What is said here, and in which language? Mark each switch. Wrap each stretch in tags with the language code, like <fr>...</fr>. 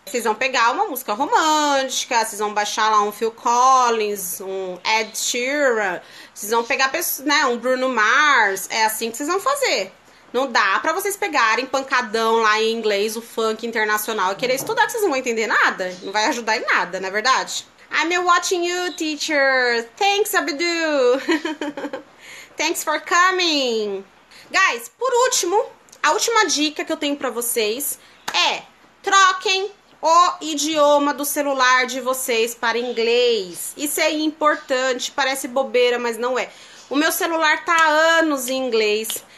<pt>Vocês vão pegar uma música romântica, vocês vão baixar lá um Phil Collins, um Ed Sheeran, vocês vão pegar, né, um Bruno Mars. É assim que vocês vão fazer. Não dá pra vocês pegarem pancadão lá em inglês, o funk internacional, e querer estudar, que vocês não vão entender nada. Não vai ajudar em nada, não é verdade?</pt> <en>I'm watching you, teacher. Thanks, Abdu. Thanks for coming.</en> <pt>Guys, por último, a última dica que eu tenho pra vocês é: troquem o idioma do celular de vocês para inglês. Isso é importante, parece bobeira, mas não é. O meu celular tá há anos em inglês.</pt>